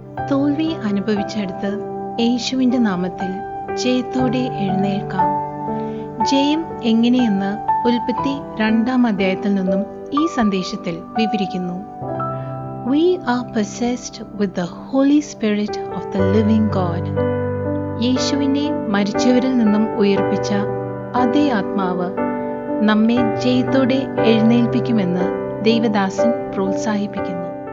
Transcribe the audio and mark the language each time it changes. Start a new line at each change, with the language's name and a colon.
Malayalam: തോൽവി അനുഭവിച്ചെടുത്ത് യേശുവിന്റെ നാമത്തിൽ ജയത്തോടെ എഴുന്നേൽക്കാം. ജയം എങ്ങനെയെന്ന് ഉൽപ്പത്തി 2-ാം അധ്യായത്തിൽ നിന്നും ഈ സന്ദേശത്തിൽ വിവരിക്കുന്നു.
English: We are possessed with the Holy Spirit of the Living God.
Malayalam: യേശുവിനെ മരിച്ചവരിൽ നിന്നും ഉയർപ്പിച്ച അതേ ആത്മാവ് നമ്മെ ജയത്തോടെ എഴുന്നേൽപ്പിക്കുമെന്ന് ദൈവദാസൻ പ്രോത്സാഹിപ്പിക്കുന്നു.